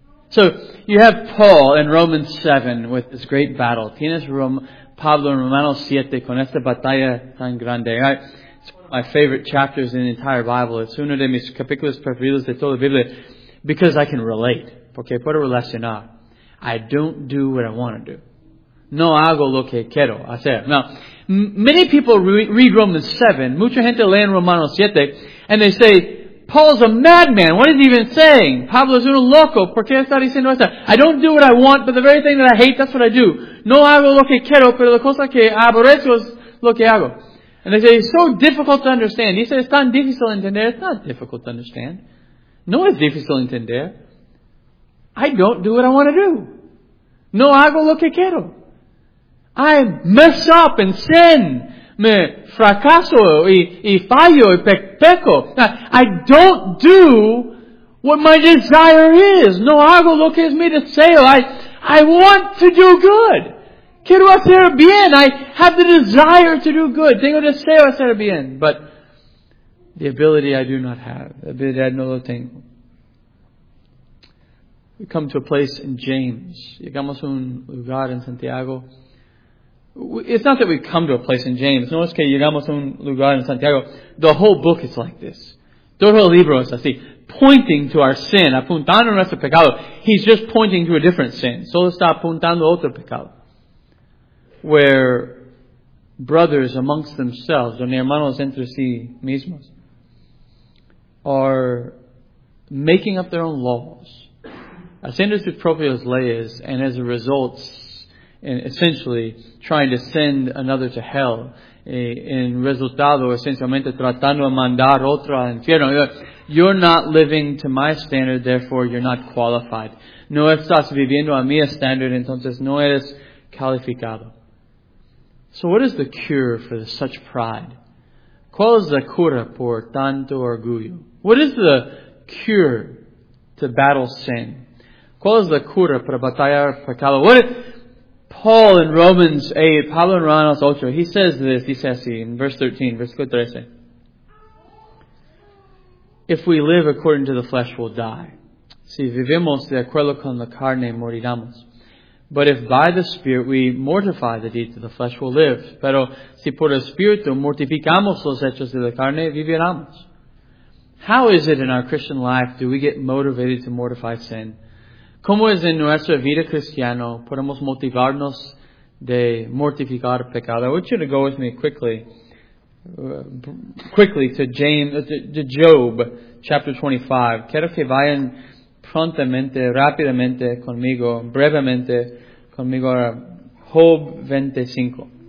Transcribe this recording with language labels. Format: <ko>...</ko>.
<en>So, you have Paul in Romans 7 with this great battle.</en> <es>Tienes Pablo en Romanos 7 con esta batalla tan grande.</es> <en>It's one of my favorite chapters in the entire Bible. It's</en> <es>uno de mis capítulos preferidos de toda la Biblia.</es> <en>Because I can relate.</en> <es>Porque puedo relacionar.</es> <en>I don't do what I want to do.</en> <es>No hago lo que quiero hacer.</es> <en>Now, many people read Romans 7.</en> <es>Mucha gente lee en Romanos 7.</es> <en>And they say, Paul's a madman. What is he even saying?</en> <es>Pablo es un loco. ¿Por qué está diciendo esto?</es> <en>I don't do what I want, but the very thing that I hate, that's what I do.</en> <es>No hago lo que quiero, pero la cosa que aborrezco es lo que hago.</es> <en>And they say, it's so difficult to understand.</en> <es>Dice, es tan difícil entender.</es> <en>It's not difficult to understand.</en> <es>No es difícil entender.</es> <en>I don't do what I want to do.</en> <es>No hago lo que quiero.</es> <en>I mess up and sin.</en> <es>Me fracaso y fallo y peco.</es> <en>I don't do what my desire is.</en> <es>No hago lo que es mi deseo.</es> <en>I want to do good.</en> <es>Quiero hacer bien.</es> <en>I have the desire to do good.</en> <es>Tengo deseo hacer bien.</es> <en>But the ability I do not have. The ability I</en> <es>no lo tengo.</es> <en>We come to a place in James.</en> <es>Llegamos a un lugar en Santiago.</es> <en>It's not that we come to a place in James.</en> <es>No es que llegamos a un lugar en Santiago.</es> <en>The whole book is like this.</en> <es>Todo el libro es así.</es> <en>Pointing to our sin.</en> <es>Apuntando a nuestro pecado.</es> <en>He's just pointing to a different sin.</en> <es>Solo está apuntando a otro pecado.</es> <en>Where brothers amongst themselves,</en> <es>donde hermanos entre sí mismos,</es> <en>are making up their own laws.</en> <es>Haciendo sus propias leyes,</es> <en>and as a result, and essentially trying to send another to hell.</en> <es>En resultado, esencialmente, tratando de mandar otro al infierno.</es> <en>You're not living to my standard, therefore you're not qualified.</en> <es>No estás viviendo a mi standard, entonces no eres calificado.</es> <en>So what is the cure for such pride?</en> <es>¿Cuál es la cura por tanto orgullo?</es> <en>What is the cure to battle sin?</en> <es>¿Cuál es la cura para batallar pecado?</es> <en>What is... Paul in Romans 8,</en> <es>Pablo en Romanos 8,</es> <en>he says this,</en> <es>dice así,</es> <en>in verse 13,</en> <es>versículo 13.</es> <en>If we live according to the flesh, we'll die.</en> <es>Si vivimos de acuerdo con la carne, moriramos.</es> <en>But if by the Spirit we mortify the deeds of the flesh, we'll live.</en> <es>Pero si por el Espíritu mortificamos los hechos de la carne, viviramos.</es> <en>How is it in our Christian life do we get motivated to mortify sin?</en> <es>¿Cómo es en nuestra vida cristiana podemos motivarnos de mortificar pecado?</es> <en>I want you to go with me quickly to James, to Job, chapter 25.</en> <es>Quiero que vayan prontamente, rápidamente conmigo, brevemente conmigo a Job 25.</es>